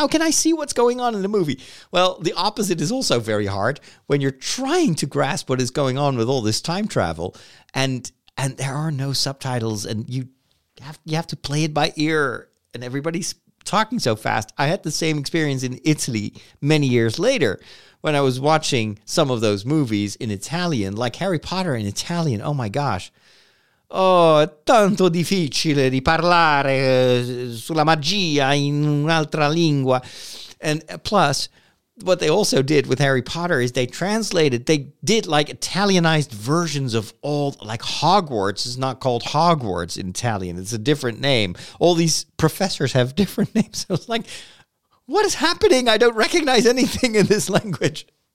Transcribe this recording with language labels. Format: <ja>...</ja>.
<en>How can I see what's going on in the movie? Well, the opposite is also very hard when you're trying to grasp what is going on with all this time travel and there are no subtitles and you have to play it by ear and everybody's talking so fast. I had the same experience in Italy many years later when I was watching some of those movies in Italian, like Harry Potter in Italian. Oh my gosh.</en> <it>Oh, tanto difficile di parlare sulla magia in un'altra lingua.</it> <en>And plus, what they also did with Harry Potter is they translated, they did like Italianized versions of all, like Hogwarts is not called Hogwarts in Italian. It's a different name. All these professors have different names. I was like, what is happening? I don't recognize anything in this language.</en>